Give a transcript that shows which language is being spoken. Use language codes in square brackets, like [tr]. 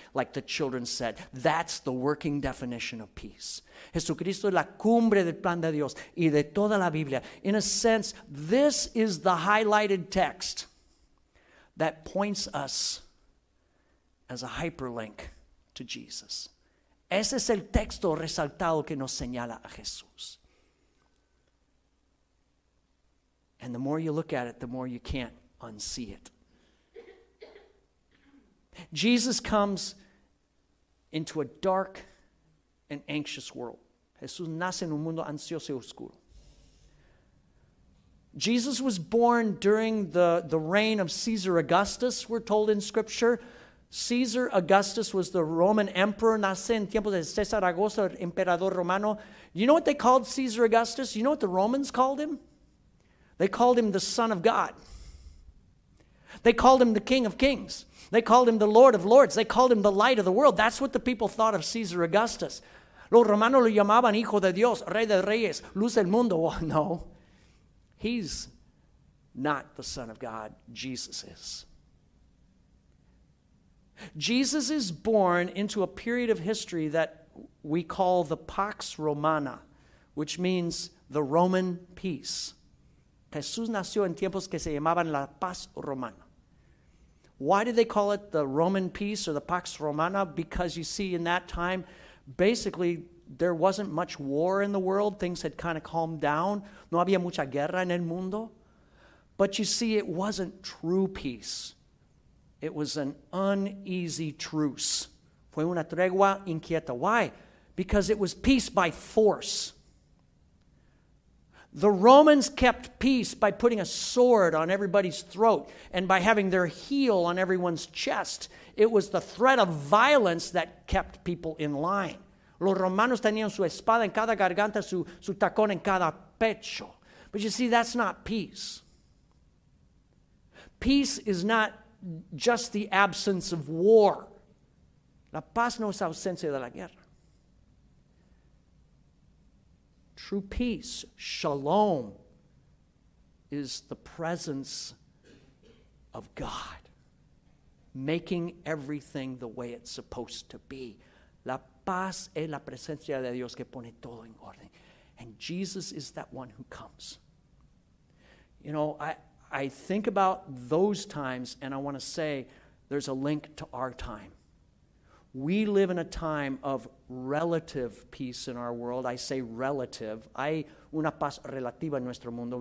[en] Like the children said, that's the working definition of peace. [es] Jesucristo es la cumbre del plan de Dios y de toda la Biblia. [en] In a sense, this is the highlighted text that points us as a hyperlink to Jesus. [es] Ese es el texto resaltado que nos señala a Jesús. [en] And the more you look at it, the more you can't unsee it. Jesus comes into a dark and anxious world. [es] Jesús nace en un mundo ansioso y oscuro. [en] Jesus was born during the reign of Caesar Augustus, we're told in Scripture. Caesar Augustus was the Roman emperor. [es] Nace en tiempos de César Augusto, emperador romano. [en] You know what they called Caesar Augustus? You know what the Romans called him? They called him the Son of God. They called him the King of Kings. They called him the Lord of Lords. They called him the Light of the World. That's what the people thought of Caesar Augustus. [es] Los romanos lo llamaban Hijo de Dios, Rey de Reyes, Luz del Mundo. [en] Well, no, he's not the Son of God. Jesus is. Jesus is born into a period of history that we call the Pax Romana, which means the Roman peace. [es] Jesús nació en tiempos que se llamaban la Paz Romana. [en] Why did they call it the Roman peace or the Pax Romana? Because you see, in that time, basically, there wasn't much war in the world. Things had kind of calmed down. [es] No había mucha guerra en el mundo. [en] But you see, it wasn't true peace. It was an uneasy truce. [es] Fue una tregua inquieta. [en] Why? Because it was peace by force. The Romans kept peace by putting a sword on everybody's throat and by having their heel on everyone's chest. It was the threat of violence that kept people in line. [es] Los romanos tenían su espada en cada garganta, su tacón en cada pecho. [en] But you see, that's not peace. Peace is not just the absence of war. [es] La paz no es ausencia de la guerra. [en] True peace, shalom, is the presence of God, making everything the way it's supposed to be. [es] La paz es la presencia de Dios que pone todo en orden. [en] And Jesus is that one who comes. You know, I think about those times, and I want to say there's a link to our time. We live in a time of relative peace in our world. I say relative. [es] Hay una paz relativa en nuestro mundo.